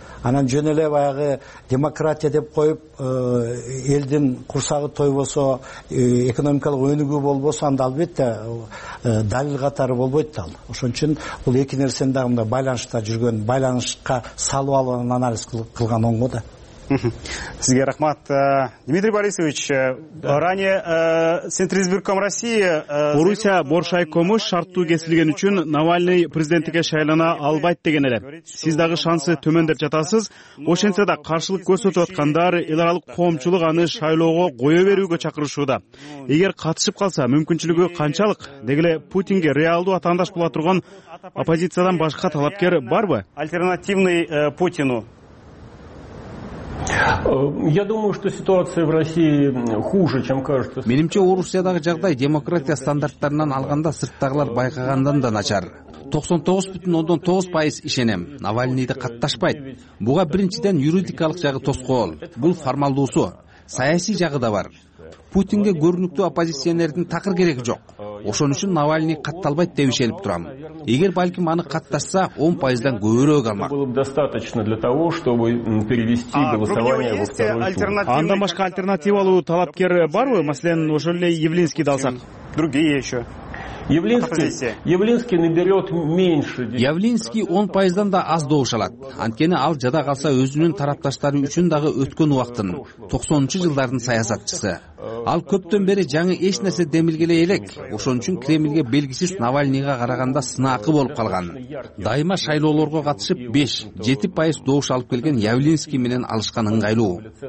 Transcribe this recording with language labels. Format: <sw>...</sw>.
<ky>Анан жөн эле баягы демократия деп коюп элдин курсагы тойбосо, экономикалык өнүгүү болбосо, анда албетте далил катары болбойт да ал. Ошон үчүн бул эки нерсени дагы мындай байланышта жүргөн, байланышка салып алып анан анализ кылган оңго да. Сизге рахмат, Дмитрий Борисович.</ky> <ru>Ранее Центризбирком России,</ru> <ky>Орусия Борш айкому шарттуу кесилген үчүн Навальный президенттикке шайлана албайт деген эле. Сиз дагы шансы төмөн деп жатасыз. Ошентсе да каршылык көрсөтүп аткандар, эл аралык коомчулук аны шайлоого кое берүүгө чакырышууда. Эгер катышып калса мүмкүнчүлүгү канчалык? Деги эле Путинге реалдуу атаандаш боло турган оппозициядан башка талапкер барбы?</ky> <ru>Альтернативный Путину. Я думаю, что ситуация в России хуже, чем кажется.</ru> <ky>Менимче Орусиядагы жагдай демократия стандарттарынан алганда сырттагылар байкагандан да начар. 99.9% ишенем, Навальныйды катташпайт. Буга биринчиден юридикалык жагы тоскоол. Бул формалдуусу. Саясий жагы да бар. Путинге көрүнүктүү оппозиционердин такыр кереги жок. Ошон үчүн Навальный катталбайт деп ишенип турам. Эгер балким аны катташса 10%дан көбүрөөк алмак.</ky> <ru>Было бы достаточно для того, чтобы перевести голосование во второй тур.</ru> <ky>Андан башка альтернативалуу талапкер барбы? Маселен, ошол эле Явлинский алсак.</ky> <ru>Другие еще. Явлинский наберет меньше.</ru> <ky>Явлинский 10%дан да аз добуш алат. Анткени ал жада калса өзүнүн тарапташтары үчүн дагы өткөн убактын 90-чу жылдардын саясатчысы. Ал көптөн бери жаңы эч нерсе демилгеле элек. Ошон үчүн Кремльге белгисиз Навальныйга караганда сынакы болуп калган. Дайыма шайлоолорго катышып 5-7% добуш алып келген Явлинский менен алышкан ыңгайлуу.</ky>